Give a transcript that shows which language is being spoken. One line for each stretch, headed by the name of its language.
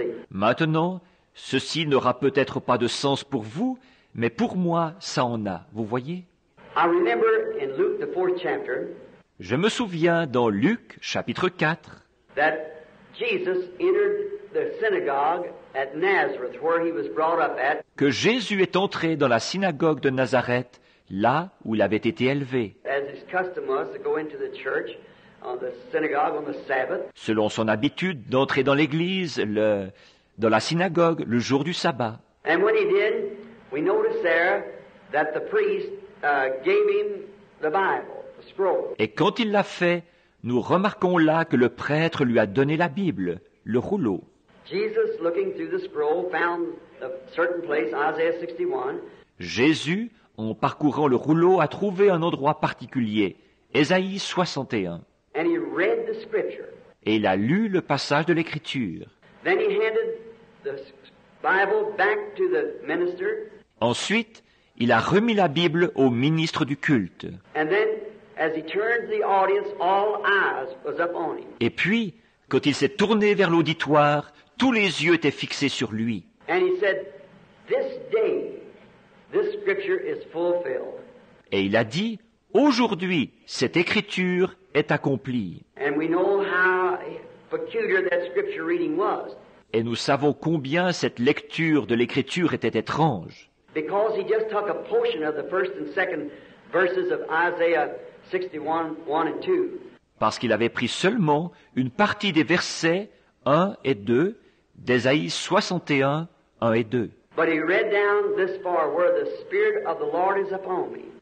French: Maintenant, ceci n'aura peut-être pas de sens pour vous, mais pour moi, ça en a, vous voyez?
English: I remember in Luke, the fourth chapter,
French: je me souviens dans Luc, chapitre 4,
English: that Jesus entered the synagogue at Nazareth, where he was brought up at,
French: que Jésus est entré dans la synagogue de Nazareth, là où il avait été élevé.
English: As his custom was to go into the church, on the synagogue on the Sabbath.
French: Selon son habitude d'entrer dans l'église, dans la synagogue, le jour du sabbat.
English: And when he did, we noticed there that the priest gave him the Bible, the scroll.
French: Et quand il l'a fait, nous remarquons là que le prêtre lui a donné la Bible, le rouleau.
English: Jesus, looking through the scroll, found a certain place, Isaiah 61.
French: Jésus, en parcourant le rouleau, a trouvé un endroit particulier, Ésaïe 61.
English: And he read the scripture.
French: Et il a lu le passage de l'Écriture.
English: Then he handed the Bible back to the minister.
French: Ensuite, il a remis la Bible au ministre du culte.
English: And then, as he turned the audience, all eyes was up on him.
French: Et puis, quand il s'est tourné vers l'auditoire, tous les yeux étaient fixés sur lui.
English: And he said, "This day, this scripture is fulfilled."
French: Et il a dit, aujourd'hui, cette Écriture est accomplie.
English: And we know how peculiar that scripture reading was.
French: Et nous savons combien cette lecture de l'Écriture était étrange.
English: Because he just took a portion of the first and second verses of Isaiah 61, 1 and 2.
French: Parce qu'il avait pris seulement une partie des versets 1 et 2 d'Ésaïe 61, 1 et 2.
English: But he read down this far where the Spirit of the Lord is upon me.